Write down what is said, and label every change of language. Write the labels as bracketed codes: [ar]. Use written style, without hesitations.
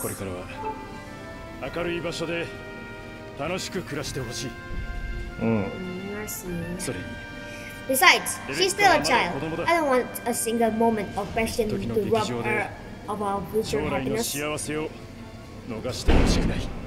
[ja] これからは明るい場所で楽しく暮らしてほしい。それに。 [en] Besides, she's still a child. I don't want a single moment of passion to rob her of our future happiness. [ja] 将来の幸せを逃してほしくない。